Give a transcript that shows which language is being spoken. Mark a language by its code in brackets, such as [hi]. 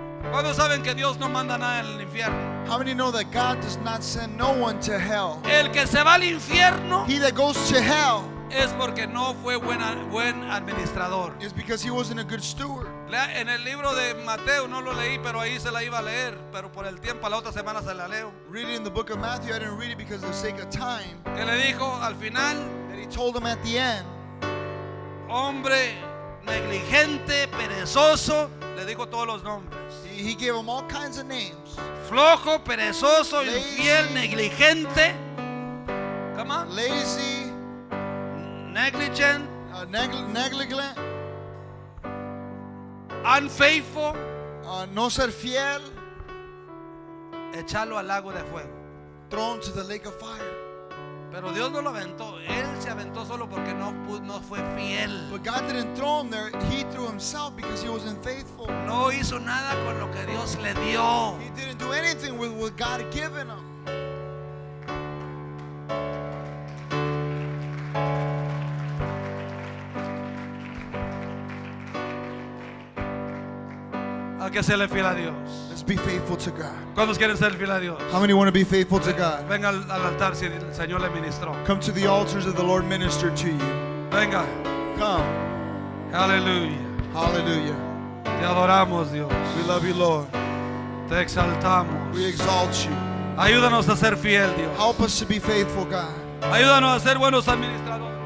[es] ¿Cuántos saben que Dios no manda nada al infierno? [en] How many know that God does not send no one to hell? [es] El que se va al infierno, [en] he that goes to hell, [es] es porque no fue buen administrador. [en] It's because he wasn't a good steward. [es] En el libro de Mateo no lo leí, pero ahí se la iba a leer, pero por el tiempo la otra semana se la leo. [en] Reading in the book of Matthew, I didn't read it because of the sake of time. [es] Que le dijo al final, [en] that he told him at the end, [es] hombre negligente, perezoso, le dijo todos los nombres. [en] He gave them all kinds of names. [es] Flojo, perezoso, lazy, infiel, negligente. [en] Come on. Lazy. Negligent. Negligent. Unfaithful. [es] No ser fiel. Echarlo al lago de fuego. [en] Thrown to the lake of fire. [es] Pero Dios no lo aventó. Él se aventó solo porque no fue fiel. [en] But God didn't throw him there. He threw himself because he wasn't faithful. [es] No hizo nada con lo que Dios le dio. [en] He didn't do anything with what God had given him. [es] Al que se le fiel a Dios. [en] Let's Let's be faithful to God. [es] ¿Cuántos quieren ser fiel a Dios? [en] How many want to be faithful to God? [es] Venga al altar si el Señor le ministró. [en] Come to the altars that the Lord ministered to you. [es] Venga. [en] Come. Hallelujah. Hallelujah. [es] Te adoramos, Dios. [en] We love you, Lord. [es] Te exaltamos. [en] We exalt you. [es] Ayúdanos a ser fiel, Dios. [en] Help us to be faithful, God. [es] Ayúdanos a ser buenos administradores.